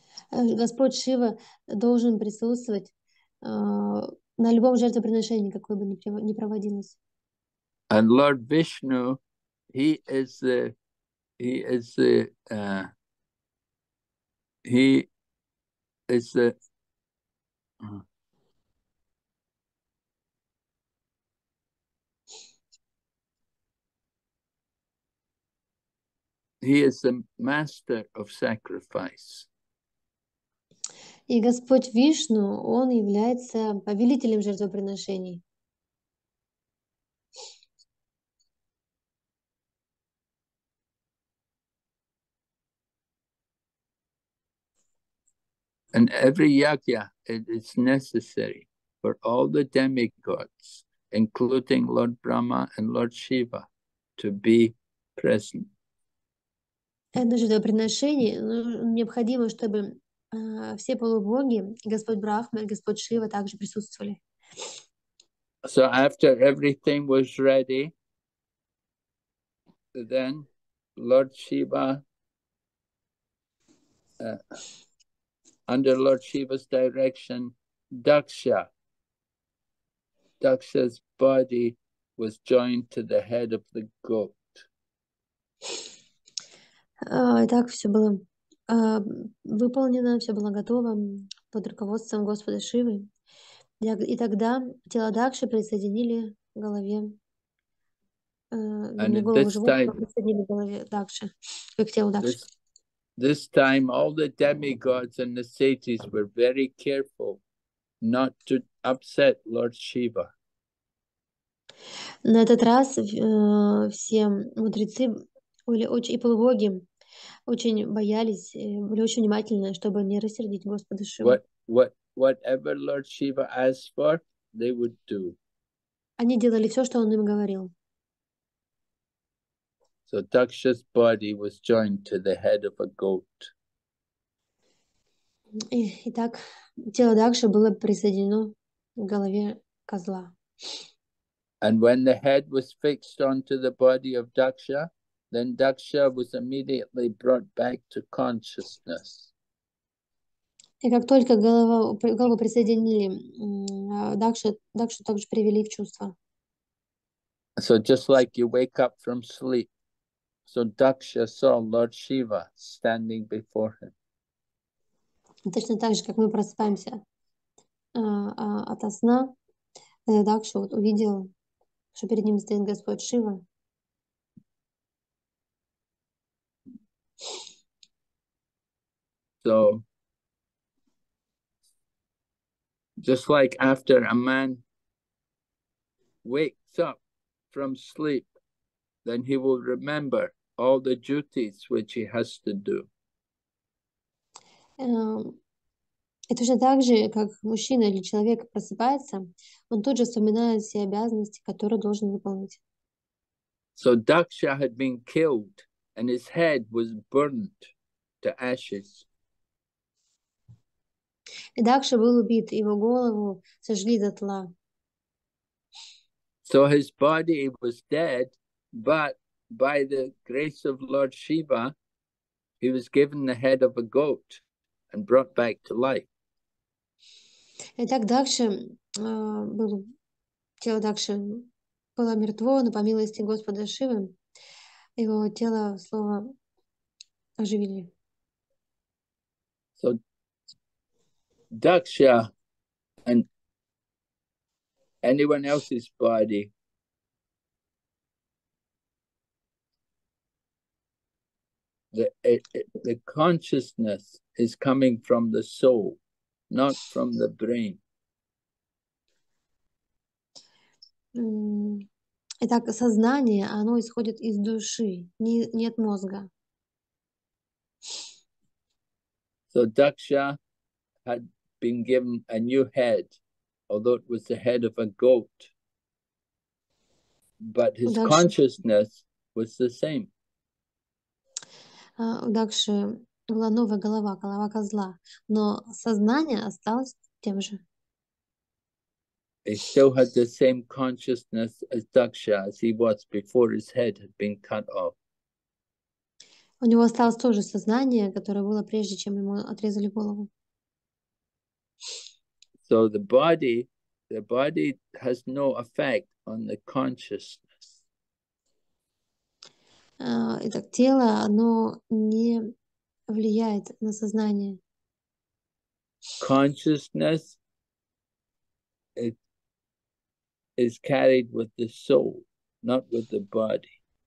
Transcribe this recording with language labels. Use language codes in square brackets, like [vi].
[ru] Господь Шива должен присутствовать на любом жертвоприношении, какое бы ни проводилось. [en] And Lord Vishnu, he is the master of sacrifice. [ru] И Господь Вишну, он является повелителем жертвоприношений. [en] And every yajna, it is necessary for all the demigods, including Lord Brahma and Lord Shiva, to be present. [ru] Это жертвоприношение необходимо, чтобы все полубоги, Господь Брахма и Господь Шива, также присутствовали. [en] So after everything was ready, then Lord Shiva, under Lord Shiva's direction, Daksha's body was joined to the head of the goat. [ru] Так все было выполнено, все было готово под руководством Господа Шивы. И тогда тело Дакши присоединили к голове. [en] And [ru] не голову животного, присоединили к голове Дакши, к телу Дакши. [en] This time all the demigods and the sages were very careful not to upset Lord Shiva. [ru] На этот раз все мудрецы были очень, и полубоги очень боялись, и были очень внимательны, чтобы не рассердить Господа Шиву. [en] Whatever Lord Shiva asked for, they would do. [ru] Они делали все, что он им говорил. [en] So Daksha's body was joined to the head of a goat. [ru] Итак, тело Дакши было присоединено к голове козла. [en] And when the head was fixed onto the body of Daksha, then Daksha was immediately brought back to consciousness. [ru] И как только голову присоединили, Дакшу также привели в чувство. [en] So just like you wake up from sleep, so Daksha saw Lord Shiva standing before him. [ru] Точно так же, как мы просыпаемся ото сна, Дакша вот увидел, что перед ним стоит Господь Шива. [en] So, just like after a man wakes up from sleep, then he will remember all the duties which he has to do. [ru] И точно так же, как мужчина или человек просыпается, он тут же вспоминает все обязанности, которые должен выполнить. [en] So Daksha had been killed and his head was burnt to ashes. [ru] И Дакша был убит, его голову сожгли дотла. [en] So his body was dead, but by the grace of Lord Shiva, he was given the head of a goat and brought back to life. [ru] Итак, Дакша был, тело Дакши было мертво, но по милости Господа Шивы его тело слово оживили. [en] So Daksha and anyone else's body the consciousness is coming from the soul, not from the brain. [ru] Итак, сознание, оно исходит из души, не от мозга. [en] So Daksha had been given a new head, although it was the head of a goat. But his consciousness was the same. [ru] У Дакши была новая голова, голова козла, но сознание осталось тем же. [en] He still had the same consciousness as Daksha as he was before his head had been cut off. [ru] У него осталось то же сознание, которое было прежде, чем ему отрезали голову. [en] So the body has no effect on the consciousness. [ru] Итак, тело, оно не влияет на сознание. [en] Consciousness is carried with the soul, not with the body.